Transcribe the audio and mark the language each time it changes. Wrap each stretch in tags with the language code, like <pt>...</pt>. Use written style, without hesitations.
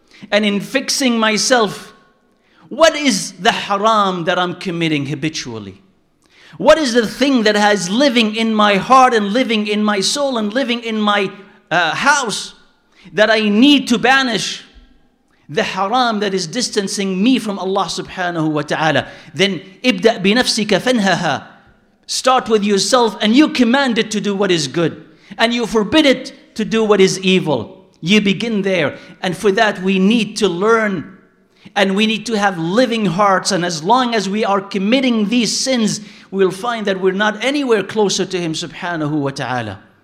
<en>And in fixing myself, what is the haram that I'm committing habitually? What is the thing that has living in my heart and living in my soul and living in my house that I need to banish? The haram that is distancing me from Allah subhanahu wa ta'ala." Then,</en> <ar>ابدأ بنفسك فانهها.</ar> <en>Start with yourself and you command it to do what is good. And you forbid it to do what is evil. You begin there. And for that we need to learn. And we need to have living hearts. And as long as we are committing these sins, we'll find that we're not anywhere closer to Him subhanahu wa ta'ala.</en>